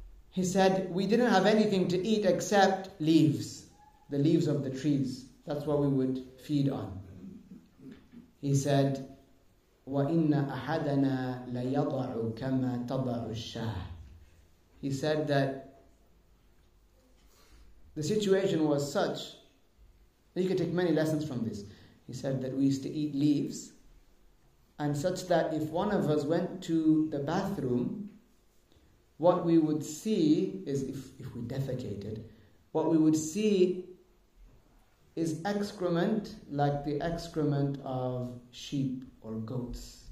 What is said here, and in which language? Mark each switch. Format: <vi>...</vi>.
<en>He said, we didn't have anything to eat except leaves, the leaves of the trees. That's what we would feed on. He said,</en> <ar>وَإِنَّ أَحَدَنَا لَيَضَعُ كَمَا تَضَعُ الشَّاهِ.</ar> <en>He said that the situation was such, you could take many lessons from this. He said that we used to eat leaves, and such that if one of us went to the bathroom, what we would see is, if we defecated, what we would see is excrement like the excrement of sheep or goats.</en>